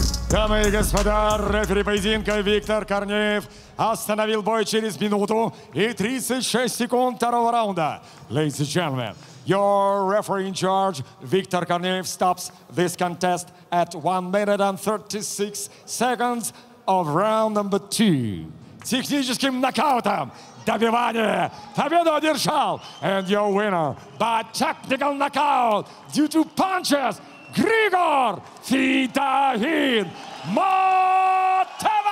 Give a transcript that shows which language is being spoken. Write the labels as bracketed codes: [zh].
[ru] Дамы и господа, рефери поединка Виктор Корнеев остановил бой через минуту и 36 секунд второго раунда. [en] Ladies and gentlemen, your referee in charge, Виктор Корнеев, stops this contest at 1 minute and 36 seconds of round number 2. [ru] Техническим нокаутом добивание победу одержал. [en] And your winner by technical knockout due to punches. [ru] Григор Федохин Батывасян!